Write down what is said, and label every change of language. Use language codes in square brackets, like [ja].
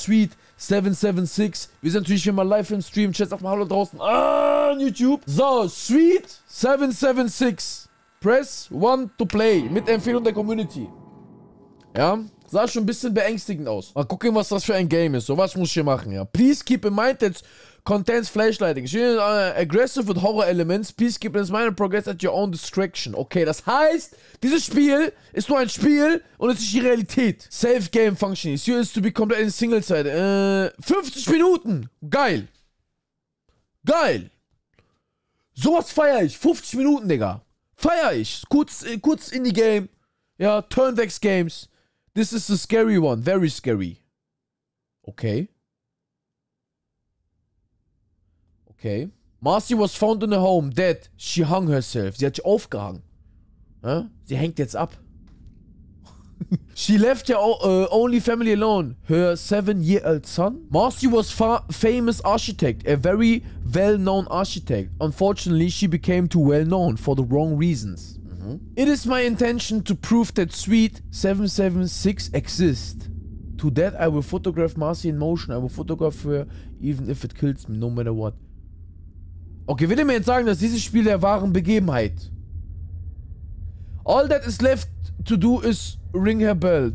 [de] Sweet 776. Wir sind natürlich immer live im Stream. Chat, sag mal Hallo draußen. An YouTube. So, Sweet 776. [en] Press 1 to play. [de] Mit Empfehlung der Community. Ja? Sah schon ein bisschen beängstigend aus. Mal gucken, was das für ein Game ist. So, was muss ich hier machen, ja? [en] Please keep in mind that contains flashlighting. Aggressive with horror elements. Please keep in mind progress at your own discretion. [de] Okay, das heißt, dieses Spiel ist nur ein Spiel und es ist die Realität. [en] Safe game function. Here is to be complete in single side. [de] 50 Minuten. Geil. Geil. Sowas feiere ich. 50 Minuten, Digga. Feiere ich. Kurz in die Game. [en] Ja, Turn-Dex Games. This is the scary one. Very scary. Okay. Okay. Marcy was found in a home. Dead. She hung herself. [de] Sie hat sich aufgehangen. [en] Huh? [de] Sie hängt jetzt ab. [en] She left her only family alone. Her 7-year-old son. Marcy was famous architect. A very well-known architect. Unfortunately, she became too well-known for the wrong reasons. It is my intention to prove that Sweet 776 exists. To that I will photograph Marcy in motion. I will photograph her even if it kills me, no matter what. [de] Okay, will er mir jetzt sagen, dass dieses Spiel der wahren Begebenheit? [en] All that is left to do is ring her bell.